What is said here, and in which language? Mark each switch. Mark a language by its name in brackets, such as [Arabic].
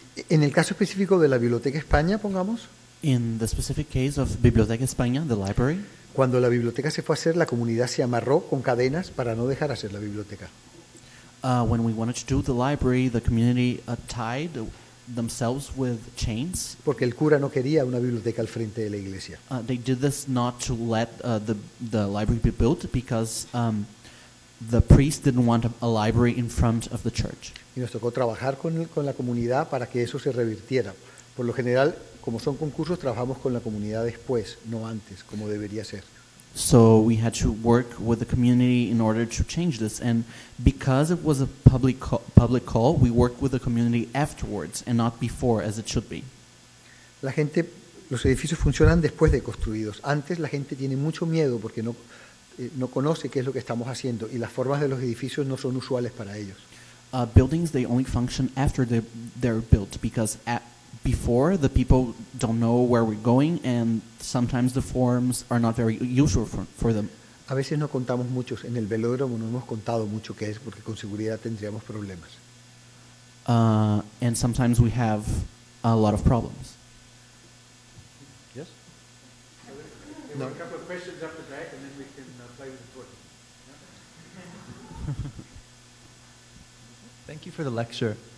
[Spanish] En el caso específico de la Biblioteca España, pongamos. [English] In the specific case of Biblioteca España, the library. [Spanish] Cuando la biblioteca se fue a hacer, la comunidad se amarró con cadenas para no dejar hacer la biblioteca. [English] When we wanted to do the library, the community tied themselves with chains. [Spanish] Porque el cura no quería una biblioteca al frente de la iglesia. [English] They did this not to let the library be built because the priest didn't want a library in front of the church. [Spanish] Y nos tocó trabajar con la comunidad para que eso se revirtiera. Por lo general, como son concursos, trabajamos con la comunidad después, no antes, como debería ser. [English] So we had to work with the community in order to change this, and because it was a public call, we worked with the community afterwards and not before, as it should be. [Spanish] La gente, los edificios funcionan después de construidos. Antes la gente tiene mucho miedo porque no conoce qué es lo que estamos haciendo, y las formas de los edificios no son usuales para ellos. [English] Buildings, they only function after they're built because before, the people don't know where we're going, and sometimes the forms are not very usual for them. [Spanish] A veces no contamos muchos. En el velódromo no hemos contado mucho qué es, porque con seguridad tendríamos problemas. [English] And sometimes we have a lot of problems. Yes? No. A couple of questions up the back, and then we can play with the torches. Thank you for the lecture.